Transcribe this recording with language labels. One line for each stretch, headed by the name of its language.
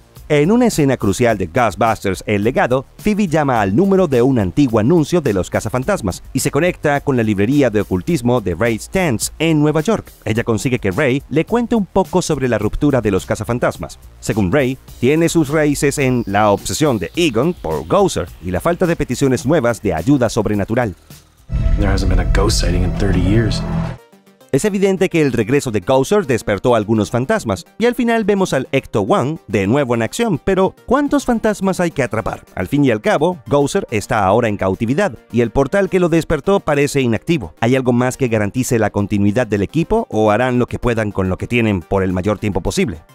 Spanish: En una escena crucial de Ghostbusters: El Legado, Phoebe llama al número de un antiguo anuncio de los cazafantasmas y se conecta con la librería de ocultismo de Ray Stantz en Nueva York. Ella consigue que Ray le cuente un poco sobre la ruptura de los cazafantasmas. Según Ray, tiene sus raíces en la obsesión de Egon por Gozer y la falta de peticiones nuevas de ayuda sobrenatural.
English: There hasn't been a ghost sighting in 30 years.
Spanish: Es evidente que el regreso de Gozer despertó a algunos fantasmas, y al final vemos al Ecto-1 de nuevo en acción, pero ¿cuántos fantasmas hay que atrapar? Al fin y al cabo, Gozer está ahora en cautividad, y el portal que lo despertó parece inactivo. ¿Hay algo más que garantice la continuidad del equipo, o harán lo que puedan con lo que tienen por el mayor tiempo posible?